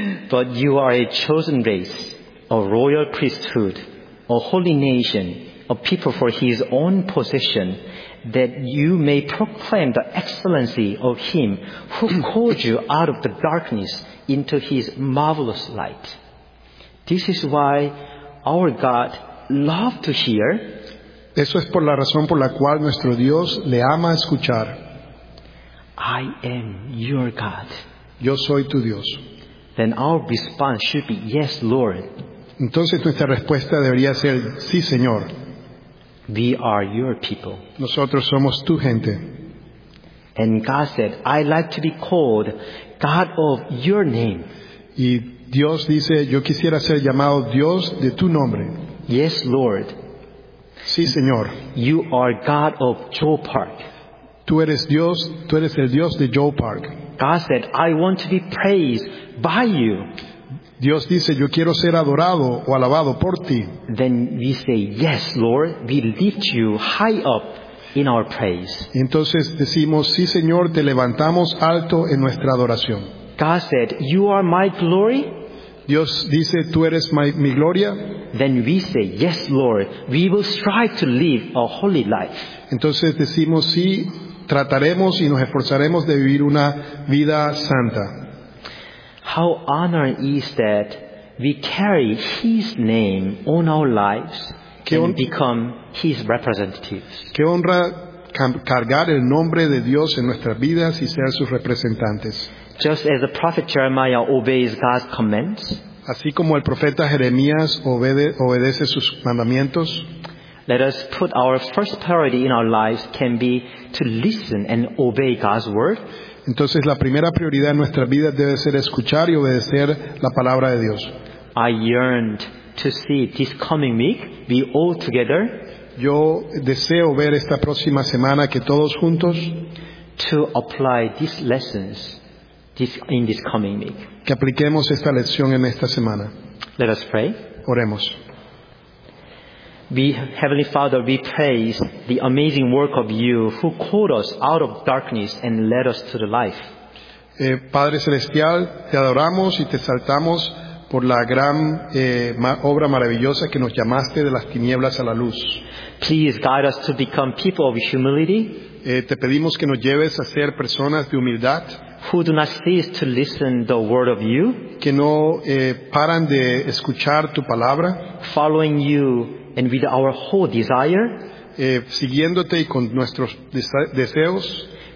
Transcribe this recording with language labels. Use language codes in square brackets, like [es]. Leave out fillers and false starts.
[en] But you are a chosen race, a royal priesthood, a holy nation, a people for his own possession, that you may proclaim the excellency of him who called you out of the darkness into his marvelous light. This is why our God loves to hear. [es] Eso es por la razón por la cual nuestro Dios le ama escuchar. [en] I am your God. [es] Yo soy tu Dios. [en] Then our response should be, yes, Lord. [es] Entonces nuestra respuesta debería ser, sí, Señor. [en] We are your people. [es] Nosotros somos tu gente. [en] And God said, I like to be called God of your name. [es] Y Dios dice, yo quisiera ser llamado Dios de tu nombre. [en] Yes, Lord. [es] Sí, Señor. [en] You are God of Joe Park. [es] Tú eres el Dios de Joe Park. [en] God said, I want to be praised by you. [es] Dios dice, yo quiero ser adorado o alabado por ti. [en] Then we say, yes, Lord, we lift you high up in our praise. [es] Entonces decimos, sí, Señor, te levantamos alto en nuestra adoración. [en] God said, "You are my glory." [es] Dios dice, "Tú eres mi gloria." [en] Then we say, "Yes, Lord, we will strive to live a holy life." [es] Entonces decimos sí, trataremos y nos esforzaremos de vivir una vida santa. [en] How honoring is that we carry His name on our lives and become His representatives. [es] Qué honra cargar el nombre de Dios en nuestras vidas y ser sus representantes. [en] Just as the prophet Jeremiah obeys God's commands, [es] así como el profeta Jeremías obedece sus mandamientos, [en] let us put our first priority in our lives can be to listen and obey God's word. [es] Entonces la primera prioridad en nuestras vidas debe ser escuchar y obedecer la palabra de Dios. [en] I yearned to see this coming week we all together. [es] Yo deseo ver esta próxima semana que todos juntos [en] to apply these lessons in this coming week. [es] Que apliquemos esta lección en esta semana. [en] Let us pray. [es] Oremos. [en] We, Heavenly Father, we praise the amazing work of you who called us out of darkness and led us to the life. [es] Padre Celestial, te adoramos y te exaltamos por la gran obra maravillosa que nos llamaste de las tinieblas a la luz. [en] Please guide us to become people of humility. [es] Te pedimos que nos lleves a ser personas de humildad. [en] Who do not cease to listen the word of you. [es] Que no paran de escuchar tu palabra. [en] Following you and with our whole desire. [es] Siguiéndote y con nuestros deseos.